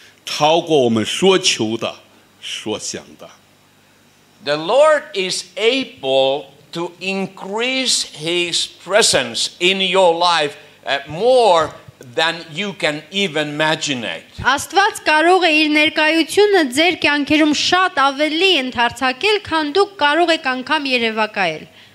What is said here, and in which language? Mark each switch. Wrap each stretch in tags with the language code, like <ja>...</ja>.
<zh>神能道主运行在我们心里的大能大力，重重足足地超过我们所求的、所想的。</zh> <en>The Lord is able to increase his presence in your life more than you can even imagine.</en> <hy>Աստված կարող է իր ներկայությունը ձեր կյանքերում շատ ավելի ընդարձակել, քան դուք կարող եք անգամ երևակայել։</hy>